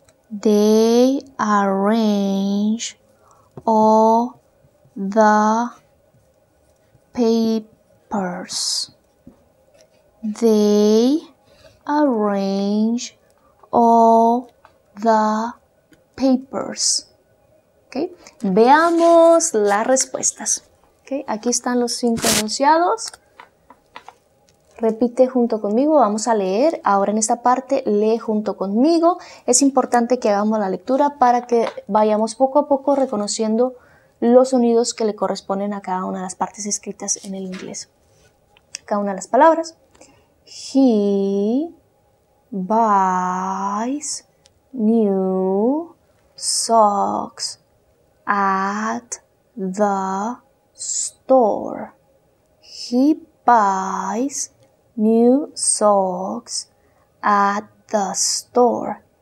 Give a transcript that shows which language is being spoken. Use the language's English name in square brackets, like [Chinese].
[English] They arrange all the papers. They arrange all the papers. Okay. [Spanish] Veamos las respuestas. Okay. Aquí están los 5 enunciados. Repite junto conmigo, vamos a leer. Ahora en esta parte, lee junto conmigo. Es importante que hagamos la lectura para que vayamos poco a poco reconociendo los sonidos que le corresponden a cada una de las partes escritas en el inglés. Cada una de las palabras. [English] He buys new socks at the store. He buys new socks at the store.